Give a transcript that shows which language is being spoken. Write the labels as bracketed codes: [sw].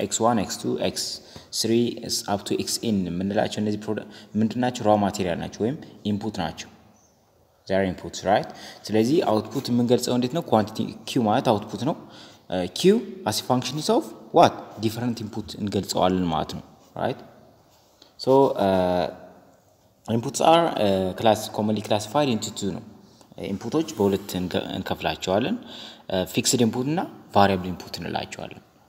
[am] x1 x2 x three is up to xn ምንላቸው እነዚህ ፕሮዳክት ምንድናቸው? raw material ናቸው ወይም input ናቸው. [en] They are inputs, right? [am] ስለዚህ output ምንገልጸው እንዴት ነው? [en] quantity q [am] ማለት output ነው. [en] q as a function is of what? [am] different input እንገልጸዋለን ማለት ነው, right? [en] So inputs are commonly classified into two. [am] ነው inputዎች በሁለት እንከፍላቸዋለን, fixed input እና variable input እንላቸዋለን.